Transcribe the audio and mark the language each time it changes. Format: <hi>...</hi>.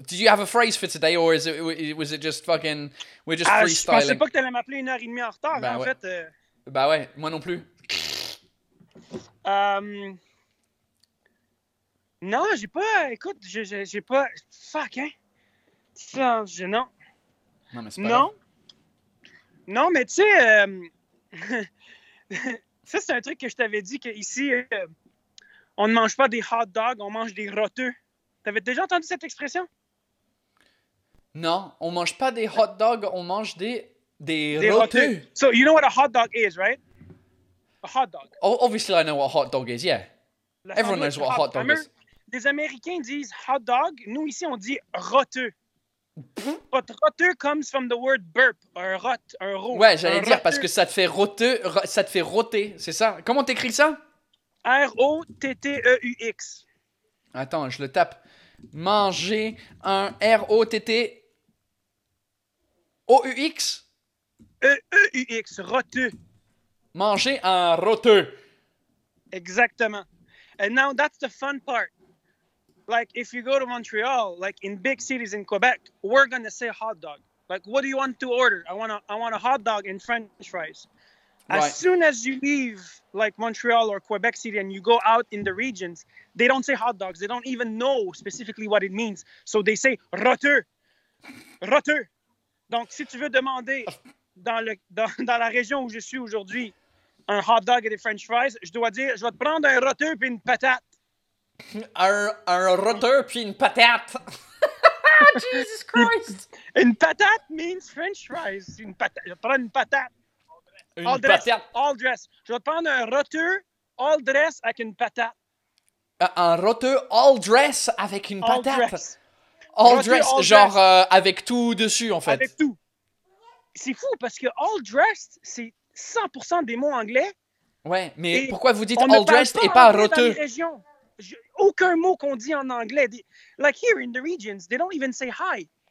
<en>Did you have a phrase for today, or was it just fucking, we're just freestyling?</en> <fr>Je pensais pas que t'allais m'appeler une heure et demie en retard, ben en ouais. fait. Bah ouais, moi non plus. Non, j'ai pas, écoute, j'ai pas, fuck, hein. Non. Non, mais c'est pas non. Non, mais tu sais, ça c'est un truc que je t'avais dit, qu'ici, on ne mange pas des hot dogs, on mange des roteux. T'avais déjà entendu cette expression? Non, on mange pas des hot dogs, on mange des roteux.</fr> <en>So, you know what a hot dog is, right? A hot dog. Obviously, I know what a hot dog is, yeah. Everyone knows what a hot dog is.</en> <fr>Les Américains disent hot dog, nous ici on dit roteux.</fr> <en>But roteux comes from the word burp,</en> <fr>un rot, un rot. Ouais, j'allais dire, parce que ça te fait roteux, ça te fait roter, c'est ça? Comment t'écris ça? R-O-T-T-E-U-X. Attends, je le tape. Manger un R-O-T-T-O-U-X? E-E-U-X, roteux. Manger un roteux. Exactement.</fr> <en>And now that's the fun part. Like, if you go to Montreal, like in big cities in Quebec, we're going to say hot dog. Like, what do you want to order? I want a hot dog and French fries. As right. soon as you leave, like, Montreal or Quebec City and you go out in the regions, they don't say hot dogs. They don't even know specifically what it means. So they say roteux. Roteux.</en> <fr>Donc, si tu veux demander dans la région où je suis aujourd'hui un hot dog et des French fries, je dois dire, je vais te prendre un roteux puis une patate. Un roteux puis une patate.</fr> <en>Jesus Christ.</en> <fr>Une patate</fr> <en>means French fries.</en> <fr>Une patate. Je vais prendre une patate. Une all dress, patate. All dress. Je vais prendre un roteux all dress avec une patate. Un roteux all dress avec une all patate. Dress. All dress, all genre dress. Avec tout dessus en fait. Avec tout. C'est fou parce que all dressed, c'est 100% des mots anglais. Ouais, mais pourquoi vous dites all dressed et pas roteux? Aucun mot qu'on dit en anglais.</fr> <en>Like here in the regions, they don't even say hi.</en>